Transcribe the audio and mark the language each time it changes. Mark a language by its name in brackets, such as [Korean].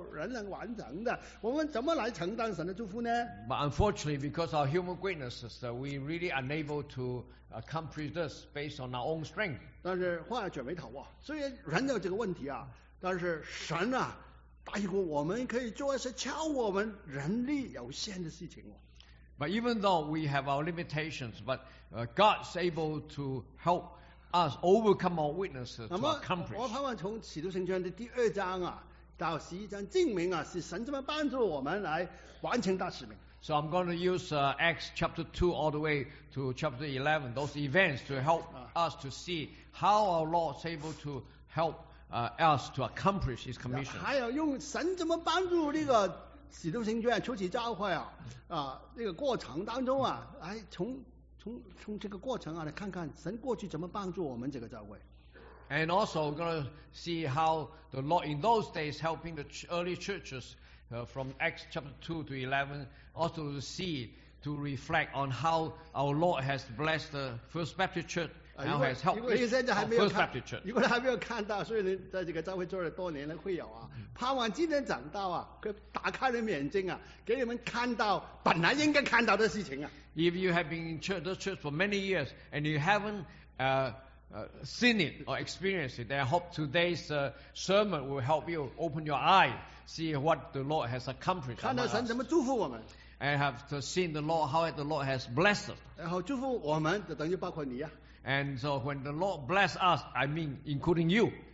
[Chinese] 但是很可惜啊，从人性的软弱当中啊，这个根本没有办法靠人来完成的。我们怎么来承担神的祝福呢？ [English] But unfortunately, because of human weaknesses, we really unable to accomplish this based on our own strength. [Chinese] 但是话要转回头啊，虽然人有这个问题啊。但是神啊，大于过我们，可以做一些超我们人力有限的事情。But [English] even though we have our limitations, but God's able to help us overcome our weaknesses to accomplish. [Chinese] 我盼望从《使徒行传》的第二章啊到十一章，证明啊是神这么帮助我们来完成大使命。 [English] So I'm going to use Acts chapter 2 all the way to chapter 11, those events to help us to see how our Lord is able to help else to accomplish His commission. [Chinese] 还有用神怎么帮助这个使徒行传初期教会啊，这个过程当中啊，来从这个过程啊来看看神过去怎么帮助我们这个教会。 [English] And also we're going to see how the Lord in those days helping the early churches from Acts chapter 2 to 11, also to see, to reflect on how our Lord has blessed the First Baptist Church now has helped me first Baptist Church. [Chinese] 如果还没有看到，所以在这个教会做了多年了，会有啊，盼望今天长大啊，打开了眼睛啊，给你们看到本来应该看到的事情啊。 [English] If you have been in church, this church for many years and you haven't seen it or experienced it, then I hope today's sermon will help you open your eye, see what the Lord has accomplished. [Chinese] 看到神怎么祝福我们。 [English] And have seen the Lord, how the Lord has blessed us. And so when the Lord bless us, I mean including you.